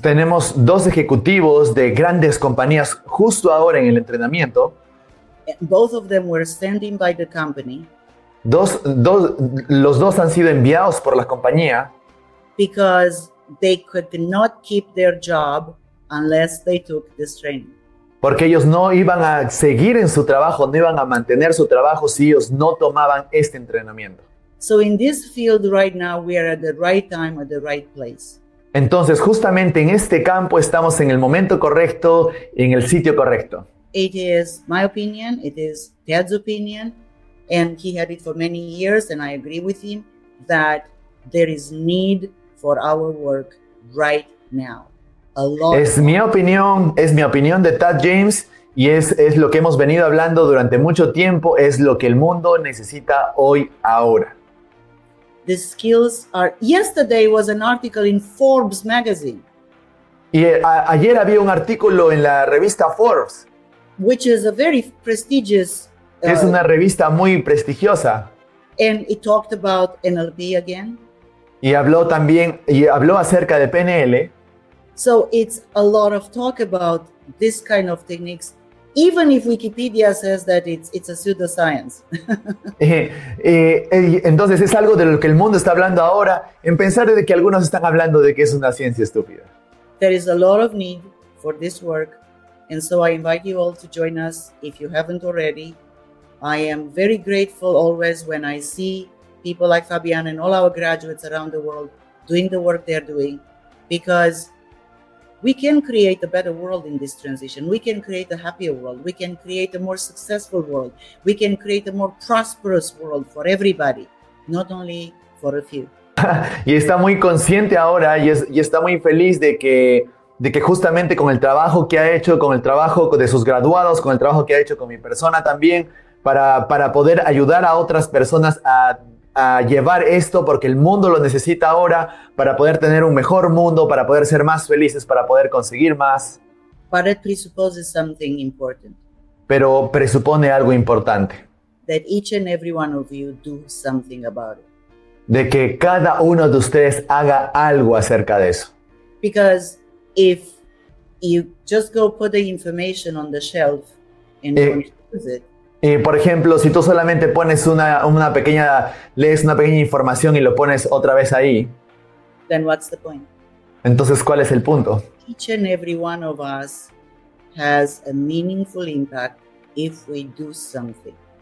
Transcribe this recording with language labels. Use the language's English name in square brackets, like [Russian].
[Spanish] Tenemos dos ejecutivos de grandes compañías justo ahora en el entrenamiento. [English] Both of them were standing by the company. [Spanish] Los dos han sido enviados por la compañía. [English] Because they could not keep their job unless they took this training. [Spanish] Porque ellos no iban a seguir en su trabajo, no iban a mantener su trabajo si ellos no tomaban este entrenamiento. [English] So in this field right now, we are at the right time, at the right place. [Spanish] Entonces, justamente en este campo, estamos en el momento correcto, en el sitio correcto. [English] It is my opinion, it is Ted's opinion, and he had it for many years, and I agree with him, that there is need for our work right now. A lot. [Spanish] Es mi opinión de Ted James, y es lo que hemos venido hablando durante mucho tiempo, es lo que el mundo necesita hoy, ahora. [English] The skills are. Yesterday was an article in Forbes magazine. [Spanish] Y ayer había un artículo en la revista Forbes. [English] Which is a very prestigious. [Spanish] Es una revista muy prestigiosa. [English] And it talked about NLP again. [Spanish] Y habló acerca de PNL. [English] So it's a lot of talk about this kind of techniques. Even if Wikipedia says that it's a pseudoscience. [Spanish] Entonces es algo de lo que el mundo está hablando ahora, en pensar de que algunos están hablando de que es una ciencia estúpida. [English] There is a lot of need for this work, and so I invite you all to join us if you haven't already. I am very grateful always when I see people like Fabian and all our graduates around the world doing the work they're doing, because we can create a better world in this transition. We can create a happier world. We can create a more successful world. We can create a more prosperous world for everybody, not only for a few. [Spanish] Y está muy consciente ahora y está muy feliz de que justamente con el trabajo que ha hecho, con el trabajo de sus graduados, con el trabajo que ha hecho con mi persona también, para poder ayudar a otras personas a llevar esto, porque el mundo lo necesita ahora para poder tener un mejor mundo, para poder ser más felices, para poder conseguir más. [English] But it presupposes something important. [Spanish] Pero presupone algo importante. [English] That each and every one of you do something about it. [Spanish] De que cada uno de ustedes haga algo acerca de eso. [English] Because if you just go put the information on the shelf and don't use it. [Spanish] Por ejemplo, si tú solamente pones una pequeña información y lo pones otra vez ahí, [English] then what's the point? [Spanish] Entonces, ¿cuál es el punto? [English] Each and every one of us has a meaningful impact if we do something.